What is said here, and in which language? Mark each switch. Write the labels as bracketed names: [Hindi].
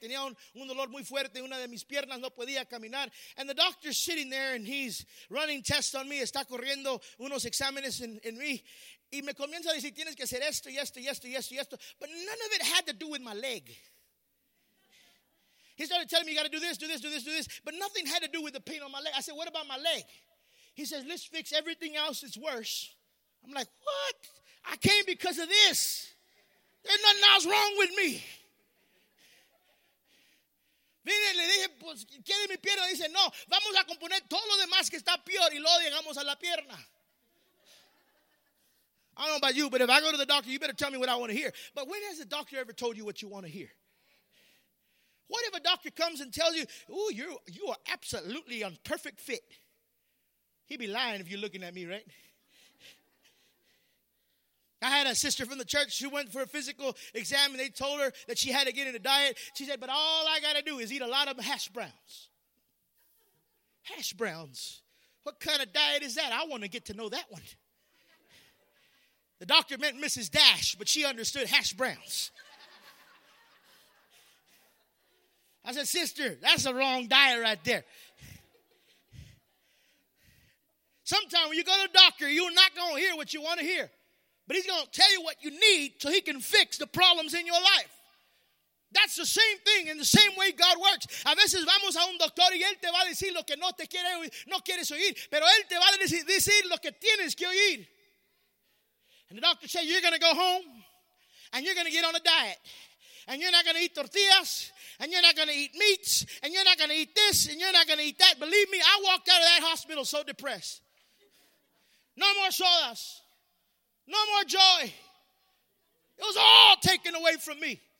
[Spanish] Tenía un dolor muy fuerte, una de mis piernas, no podía caminar. [English] And the doctor's sitting there and he's running tests on me. [Spanish] Está corriendo unos exámenes en mí. Y me comienza a decir, tienes que hacer esto, y esto, y esto, y esto, y esto. [English] But none of it had to do with my leg. He started telling me, you got to do this, do this, do this, do this. But nothing had to do with the pain on my leg. I said, what about my leg? He says, let's fix everything else. It's worse. I'm like, what? I came because of this. There's nothing else wrong with me. [Spanish] Vine, le dije, pues, ¿quiere mi pierna? Dice, no, vamos a componer todo lo demás que está peor y luego llegamos a la pierna. [English] I don't know about you, but if I go to the doctor, you better tell me what I want to hear. But when has the doctor ever told you what you want to hear? What if a doctor comes and tells you, ooh, you are absolutely on perfect fit? He'd be lying if you're looking at me, right? I had a sister from the church. She went for a physical exam, and they told her that she had to get in a diet. She said, but all I got to do is eat a lot of hash browns. Hash browns. What kind of diet is that? I want to get to know that one. The doctor meant Mrs. Dash, but she understood hash browns. I said, sister, that's the wrong diet right there. Sometime when you go to the doctor, you're not going to hear what you want to hear. But he's going to tell you what you need so he can fix the problems in your life. That's the same thing in the same way God works. [Spanish] A veces vamos a un doctor y él te va a decir lo que no te quiere, no quieres oír. Pero él te va a decir lo que tienes que oír. [English] And the doctor said, you're going to go home and you're going to get on a diet. And you're not going to eat tortillas. And you're not going to eat meats. And you're not going to eat this. And you're not going to eat that. Believe me, I walked out of that hospital so depressed. No more sodas. No more joy. It was all taken away from me.